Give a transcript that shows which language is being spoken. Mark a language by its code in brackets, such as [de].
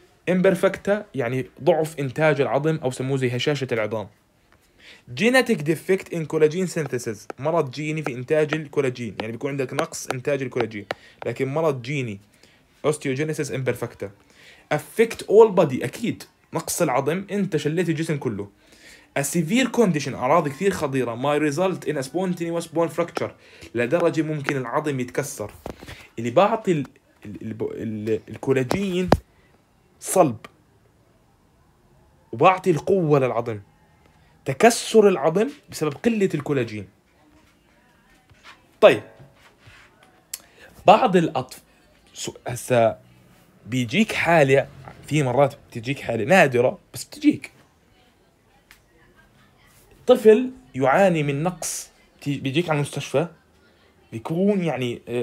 [ar] imperfecta يعني ضعف إنتاج العظم أو سموه زي هشاشة العظام. [en] genetic defect in collagen synthesis [ar] مرض جيني في إنتاج الكولاجين، يعني بيكون عندك نقص إنتاج الكولاجين، لكن مرض جيني [en] osteogenesis imperfecta affect all body [ar] أكيد نقص العظم أنت شليت الجسم كله. [en] a severe condition [ar] أعراض كثير خطيرة [en] may result in a spontaneous bone fracture [ar] لدرجة ممكن العظم يتكسر. اللي بعطي الكولاجين صلب وبعطي القوة للعظم، تكسر العظم بسبب قلة الكولاجين. طيب بعض الأطفال هسا بيجيك حالة، في مرات بتجيك حالة نادرة بس بتجيك طفل يعاني من نقص، بيجيك على المستشفى بيكون يعني